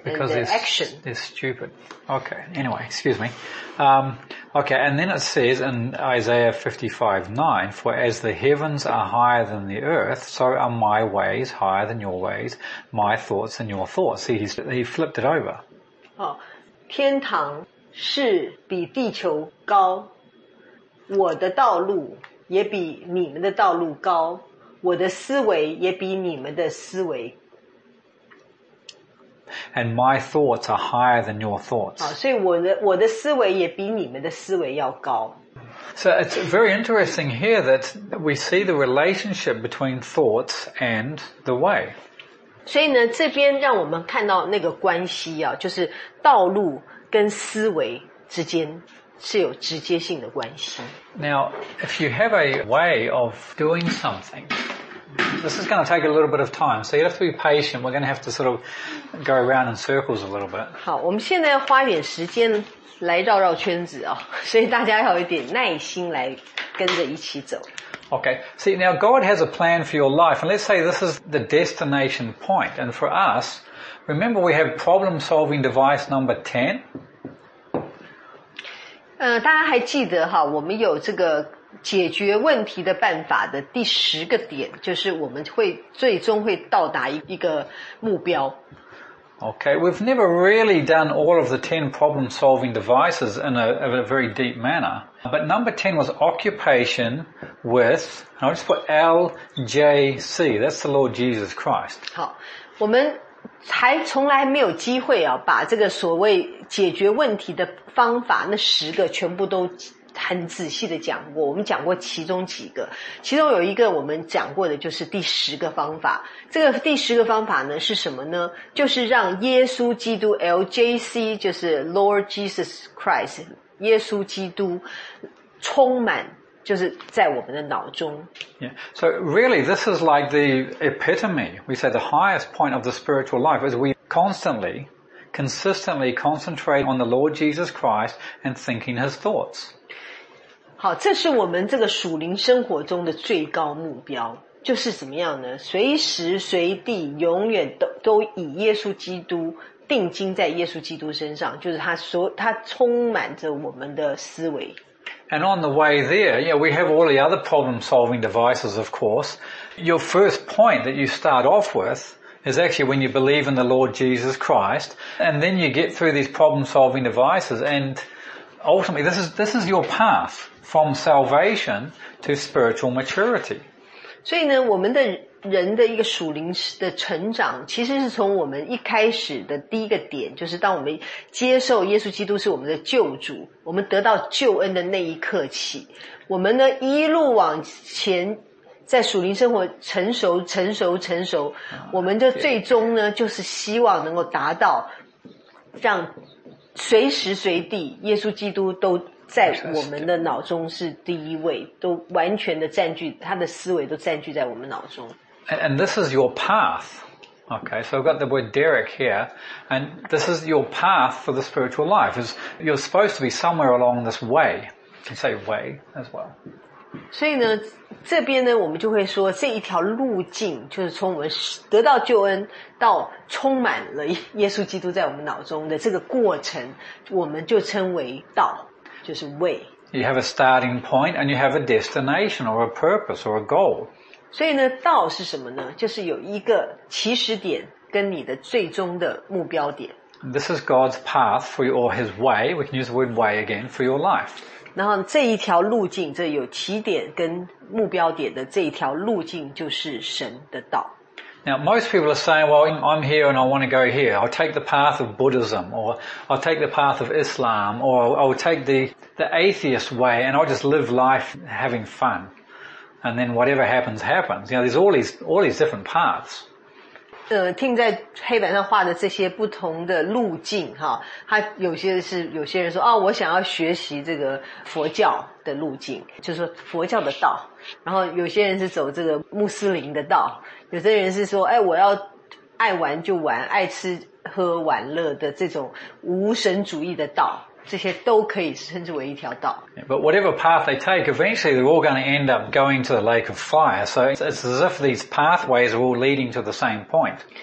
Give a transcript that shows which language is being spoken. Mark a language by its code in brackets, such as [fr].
[en] because and the action? Because they're stupid. Okay, anyway, excuse me. Okay, and then it says in Isaiah 55:9, for as the heavens are higher than the earth, so are my ways higher than your ways, my thoughts than your thoughts. See, he flipped it over. [zh] Oh, 天堂是比地球高，我的道路也比你们的道路高，我的思维也比你们的思维。 [en] And my thoughts are higher than your thoughts. [zh] 好，所以我的思维也比你们的思维要高。 [en] So it's very interesting here that we see the relationship between thoughts and the way. [zh] 所以呢，这边让我们看到那个关系啊，就是道路跟思维之间是有直接性的关系。 [en] Now, if you have a way of doing something,This is going to take a little bit of time, so you have to be patient. We're going to have to sort of go around in circles a little bit. [zh] 好，我们现在要花一点时间来绕绕圈子哦，所以大家要有一点耐心来跟着一起走。 [en] Okay, see, now God has a plan for your life, and let's say this is the destination point. And for us, remember we have problem-solving device number 10? [zh] 大家还记得哈，我们有这个解决问题的办法的第十个点，就是我们会最终会到达一个目标。 [en] Okay, we've never really done all of the 10 problem-solving devices in a very deep manner. But number 10 was occupation with, and I'll just put LJC, that's the Lord Jesus Christ. [zh] 好，我们还从来没有机会啊，把这个所谓解决问题的方法那十个全部都很仔细的讲过，我们讲过其中几个，其中有一个我们讲过的就是第十个方法。这个第十个方法呢是什么呢？就是让耶稣基督 LJC 就是 Lord Jesus Christ 耶稣基督充满就是在我们的脑中。 [en] Yeah. So really this is like the epitome, we say the highest point of the spiritual life is we consistently concentrate on the Lord Jesus Christ and thinking his thoughts. [zh] 好，这是我们这个属灵生活中的最高目标，就是怎么样呢？随时随地永远 都以耶稣基督定睛在耶稣基督身上，就是他充满着我们的思维。 [en] And on the way there, yeah, we have all the other problem solving devices, of course. Your first point that you start off withis actually when you believe in the Lord Jesus Christ, and then you get through these problem-solving devices, and ultimately this is your path from salvation to spiritual maturity. [zh] 所以呢，我们的人的一个属灵的成长，其实是从我们一开始的第一个点，就是当我们接受耶稣基督是我们的救主，我们得到救恩的那一刻起，我们呢一路往前在属灵生活成熟成熟成熟，我们的最终呢就是希望能够达到让随时随地耶稣基督都在我们的脑中是第一位，都完全的占据他的思维，都占据在我们脑中。 [en] And this is your path. Okay, so I've got the word Derek here, and this is your path for the spiritual life. Is you're supposed to be somewhere along this way. You can say way as well. [zh] 所以呢，这边呢，我们就会说这一条路径就是从我们得到救恩到充满了耶稣基督在我们脑中的这个过程，我们就称为道，就是 way。 [en] You have a starting point and you have a destination or a purpose or a goal. [zh] 所以呢，道是什么呢？就是有一个起始点跟你的最终的目标点。 [en] This is God's path for you, or His way. We can use the word way again for your life. [zh] 然后这一条路径，这有起点跟目标点的这一条路径，就是神的道。 [en] Now most people are saying, "Well, I'm here and I want to go here. I'll take the path of Buddhism, or I'll take the path of Islam, or I'll take the atheist way, and I'll just live life having fun, and then whatever happens, happens." You know, there's all these different paths. [zh] Tim 在黑板上画的这些不同的路径哈，他有些人说，哦，我想要学习这个佛教的路径，就是说佛教的道，然后有些人是走这个穆斯林的道，有些人是说，哎，我要爱玩就玩，爱吃喝玩乐的这种无神主义的道，这些都可以称之为一条道。 [en] But whatever path they take, eventually they're all going to end up going to the lake of fire. So it's as if these pathways are all leading to the same point.